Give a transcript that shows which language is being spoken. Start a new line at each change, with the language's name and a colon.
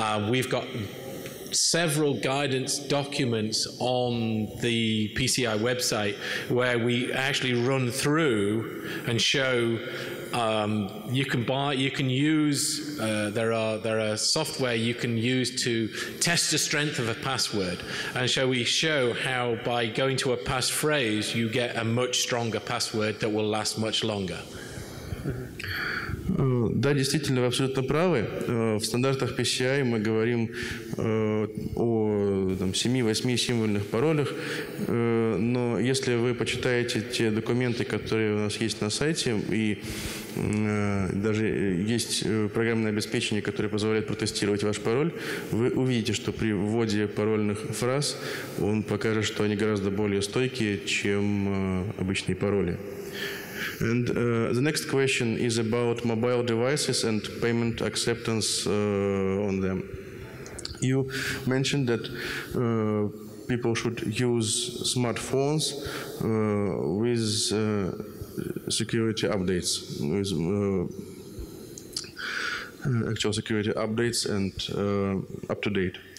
English: We've got several guidance documents on the PCI website where we actually run through and show there are software you can use to test the strength of a password, and so we show how by going to a passphrase you get a much stronger password that will last much longer.
Russian: Да, действительно, вы абсолютно правы. В стандартах PCI мы говорим о 7-8 символьных паролях, но если вы почитаете те документы, которые у нас есть на сайте, и даже есть программное обеспечение, которое позволяет протестировать ваш пароль, вы увидите, что при вводе парольных фраз он покажет, что они гораздо более стойкие, чем обычные пароли.
English: And the next question is about mobile devices and payment acceptance on them. You mentioned that people should use smartphones with security updates, with actual security updates and up to date.